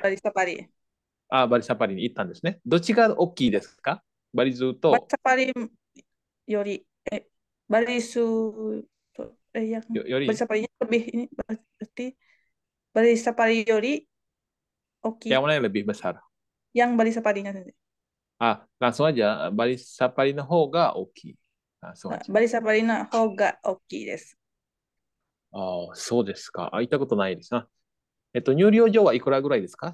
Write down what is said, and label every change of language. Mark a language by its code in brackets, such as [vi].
[ja] バリサパリ。あ、バリサパリに行ったんですね。どっちが大きいですか？バリズーと。バリサパリより、バリズーと、より。バリサパリより、バリサパリより大きい。 [id] Yang mana yang lebih besar? Yang バリサパリ nya tadi. Ah, langsung aja. [ja] バリサパリの方が大きい。バリサパリの方が大きいです。ああ、そうですか。行ったことないですな。入寮料はいくらぐらいですか？